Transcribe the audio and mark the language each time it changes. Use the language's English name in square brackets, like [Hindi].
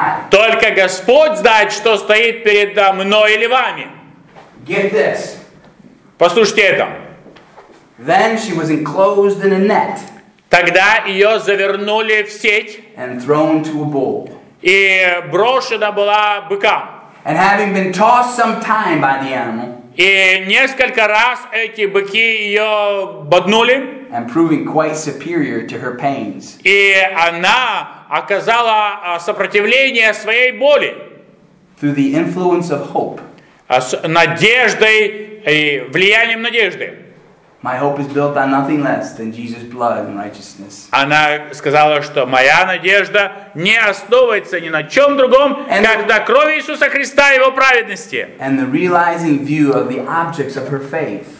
[Russian] Только Господь знает, что стоит перед мной или вами. [English] Get this. [Russian] Послушайте это. [English] Then she was enclosed in a net. [Russian] Тогда ее завернули в сеть. [English] And thrown to a bull. [Russian] И брошена была быкам. [English] And having been tossed some time by the animal, [Russian] и несколько раз эти быки ее боднули. [English] And proving quite superior to her pains. [Russian] И она оказала сопротивление своей боли. [English] Through the influence of hope. [Russian] С надеждой и влиянием надежды. [English] My hope is built on nothing less than Jesus' blood and righteousness. [Russian] Она сказала, что моя надежда не основывается ни на чем другом, and как на крови Иисуса Христа и его праведности. [English] And the realizing view of the objects of her faith.